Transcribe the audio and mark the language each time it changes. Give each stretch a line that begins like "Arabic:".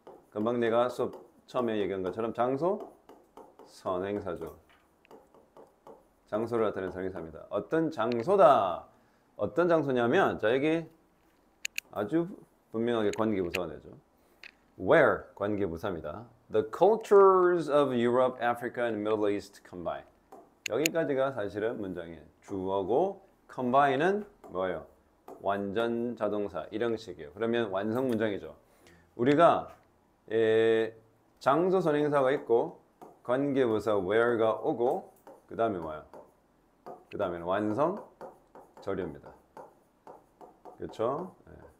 Korean: 금방 내가 수업 처음에 얘기한 것처럼 장소 선행사죠. 장소를 나타내는 선행사입니다. 어떤 장소다. 어떤 장소냐면 자 여기 아주 분명하게 관계부사가 되죠. Where 관계부사입니다.
English: The cultures of Europe, Africa, and Middle East combine.
Korean: 여기까지가 사실은 문장의 주어고 combine은 뭐예요? 완전 자동사 이런 식이에요. 그러면 완성 문장이죠. 우리가 장소 선행사가 있고 관계부사 where가 오고 그 다음에 뭐야? 그 다음에는 완성절입니다. 그렇죠? 네.